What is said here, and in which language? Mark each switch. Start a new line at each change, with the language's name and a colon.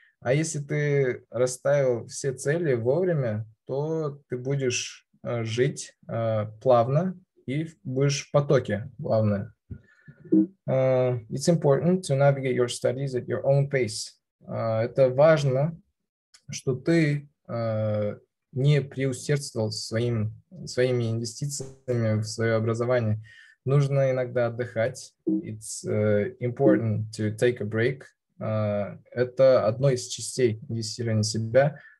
Russian: А если ты расставил все цели вовремя, то ты будешь жить плавно и будешь в потоке, главное.
English: It's important to navigate your studies at your own pace.
Russian: Это важно, что ты не преусердствовал своими инвестициями в свое образование. Нужно иногда отдыхать.
English: It's important to take a break.
Russian: Это одно из частей инвестирования в себя.